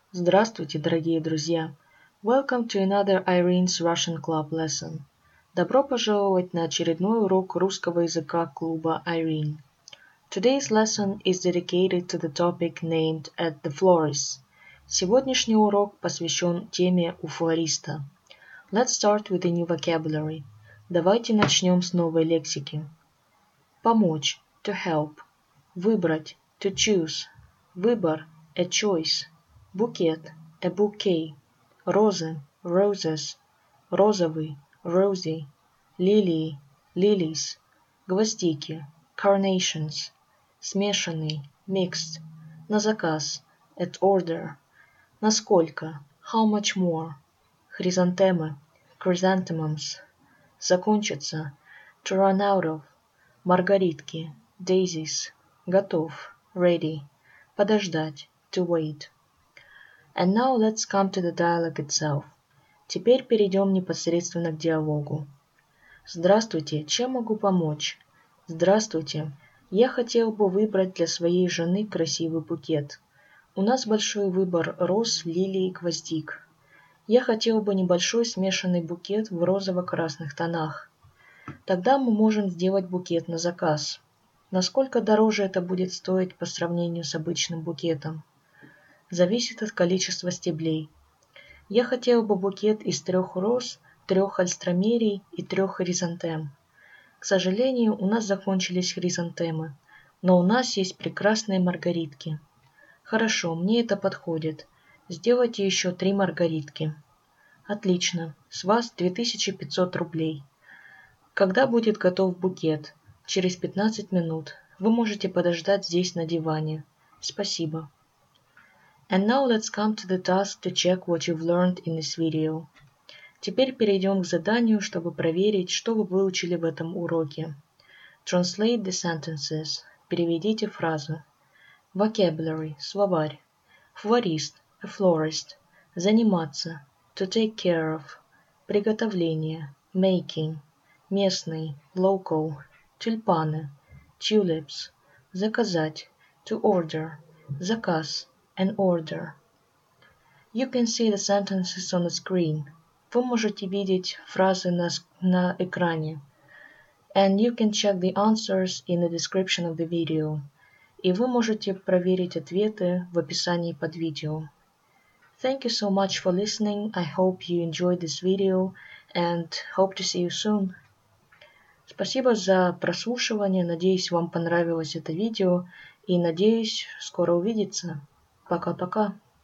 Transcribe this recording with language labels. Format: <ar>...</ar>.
<ru>Здравствуйте, дорогие друзья.</ru> <en>Welcome to another Irene's Russian Club lesson.</en> <ru>Добро пожаловать на очередной урок русского языка клуба Irene.</ru> <en>Today's lesson is dedicated to the topic named at the florist.</en> <ru>Сегодняшний урок посвящен теме у флориста.</ru> <en>Let's start with a new vocabulary.</en> <ru>Давайте начнем с новой лексики.</ru> <en>Помочь – to help. Выбрать – to choose. Выбор – a choice. Букет – a bouquet. Розы – roses. Розовый – rosy. Лилии – lilies. Гвоздики – carnations. Смешанный – mixed. На заказ – at order. Насколько – how much more. Хризантемы – chrysanthemums. Закончится – to run out of. Маргаритки – daisies. Готов – ready. Подождать – to wait. And now let's come to the dialogue itself. Теперь перейдем непосредственно к диалогу.</en> <ru>Здравствуйте, чем могу помочь? Здравствуйте, я хотел бы выбрать для своей жены красивый букет. У нас большой выбор роз, лилий и гвоздик. Я хотел бы небольшой смешанный букет в розово-красных тонах. Тогда мы можем сделать букет на заказ. Насколько дороже это будет стоить по сравнению с обычным букетом? Зависит от количества стеблей. Я хотел бы букет из 3 роз, 3 альстромерий и 3 хризантем. К сожалению, у нас закончились хризантемы, но у нас есть прекрасные маргаритки. Хорошо, мне это подходит. Сделайте еще 3 маргаритки. Отлично, с вас 2500 рублей. Когда будет готов букет? Через 15 минут. Вы можете подождать здесь на диване. Спасибо.</ru> <en>And now let's come to the task to check what you've learned in this video.</en> <ru>Теперь перейдем к заданию, чтобы проверить, что вы выучили в этом уроке.</ru> <en>Translate the sentences.</en> <ru>Переведите фразу.</ru> <en>Vocabulary. Словарь. Florist. A florist. Заниматься. To take care of. Приготовление. Making. Местный. Local. Тюльпаны. Tulips. Заказать. To order. Заказ. An order. You can see the sentences on the screen.</en> <ru>Вы можете видеть фразы на экране.</ru> <en>And you can check the answers in the description of the video.</en> <ru>И вы можете проверить ответы в описании под видео.</ru> <en>Thank you so much for listening. I hope you enjoyed this video and hope to see you soon.</en> <ru>Спасибо за прослушивание. Надеюсь, вам понравилось это видео и надеюсь скоро увидеться. Пока-пока.</ru>